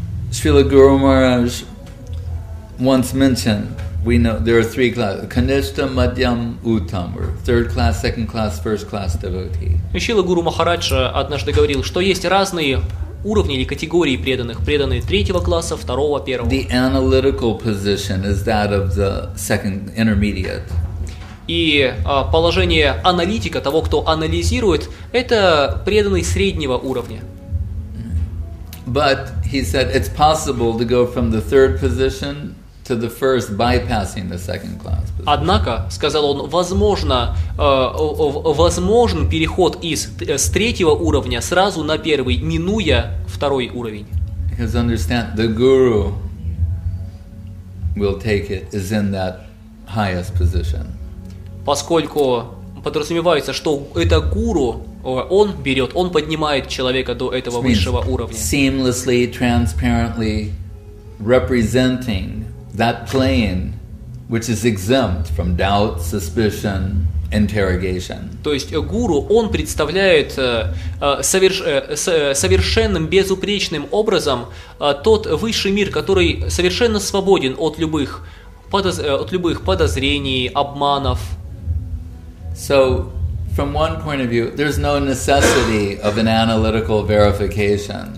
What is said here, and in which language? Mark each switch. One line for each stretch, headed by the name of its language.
English: Srila Guru Maharaj once mentioned, we know there are three classes: Kanishta, Madhyam, Uttam, or third class, second class, first class devotee.
Russian: Шрила Гуру Махарадж однажды говорил, что есть разные уровни или категории преданных: преданные третьего класса, второго, первого.
English: The analytical position is that of the second intermediate.
Russian: И положение аналитика, того, кто анализирует, это преданный среднего уровня.
English: But he said it's possible to go from the third position to the first, bypassing the second class.
Russian: Однако, сказал он, возможен переход из третьего уровня сразу на первый, минуя второй уровень.
English: Because understand, the guru will take it is in that highest position.
Russian: Поскольку подразумевается, что это гуру, он берет, он поднимает человека до этого высшего уровня.
English: Seamlessly, transparently representing that plane which is exempt from doubt, suspicion, interrogation.
Russian: То есть гуру, он представляет совершенным, безупречным образом тот высший мир, который совершенно свободен от любых подозрений, обманов.
English: So, from one point of view, there's no necessity of an analytical verification.